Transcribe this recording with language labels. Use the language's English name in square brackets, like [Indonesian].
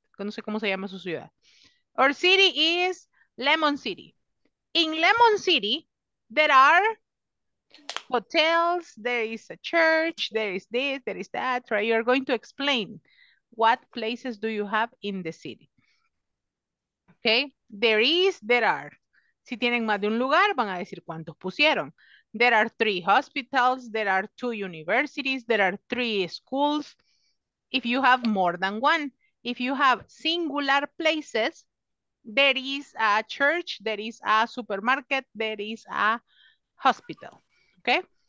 [Spanish] No sé cómo se llama su ciudad. [English] Our city is Lemon City. In Lemon City, there are hotels, there is a church, there is that, right? You're going to explain what places do you have in the city. Okay, there are. [Spanish] Si tienen más de un lugar, van a decir cuántos pusieron. [English] There are 3 hospitals, there are 2 universities, there are 3 schools. If you have more than one, if you have singular places, there is a church, there is a supermarket, there is a hospital, okay?